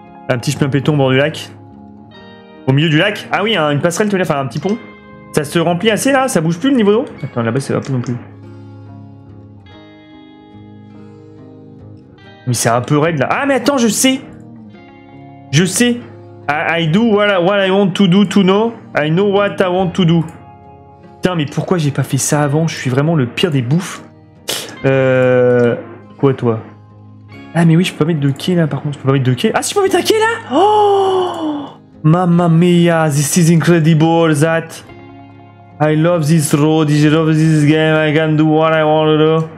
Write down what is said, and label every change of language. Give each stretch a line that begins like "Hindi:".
French: Un petit chemin péton au bord du lac. Au milieu du lac? Ah oui, hein, une passerelle, tu veux dire, enfin un petit pont. Ça se remplit assez là? Ça bouge plus le niveau d'eau? Attends, là-bas, ça va plus non plus. Mais c'est un peu raide là. Ah, mais attends, je sais! Je sais!
English: I do what I want to do to know. I know what I want to do.
French: Putain, mais pourquoi j'ai pas fait ça avant? Je suis vraiment le pire des bouffes. Quoi, toi? Ah, mais oui, je peux pas mettre de quai là, par contre. Je peux pas mettre de quai. Ah, si, je peux mettre un quai là? Oh!
English: Mamma mia, this is incredible that I love this road, I love this game, I can do what I want to do.